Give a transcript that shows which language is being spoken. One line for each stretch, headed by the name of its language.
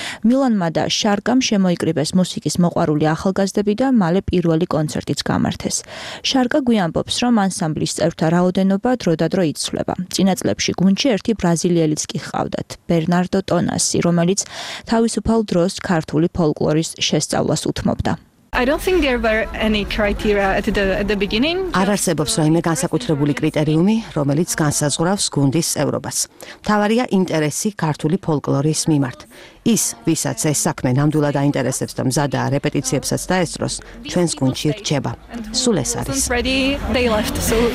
Georgian: მილანმა და შარკამ შემოიკრიბეს მუსიკის მოყვარული ახალგაზრდები და მალე პირველი კონცერტიც გამართეს. შარკა გვიამბობს, რომ ანსამბლის წევრთა რაოდენობა დროდადრო იცვლება. წინა წლებში გუნდში ერთი ბრაზილიელიც კი ჰყავდათ, ბერნარდო ტონასი, რომელიც თავისუფალ დროს ქართული ფოლკლორის შესწავლას უთმობდა.
English: I don't think there were any criteria at the beginning.
Georgian: არ არსებობს რაიმე განსაკუთრებული კრიტერიუმი, რომელიც განსაზღვრავს გუნდის წევრობას. თავარია ინტერესი ქართული ფოლკლორის მიმართ. ის, ვისაც ეს საქმე ნამდვილად დაინტერესებს და მზადაა რეპეტიციებსაც დაესწროს, ჩვენს გუნდში რჩება. სულ ეს არის.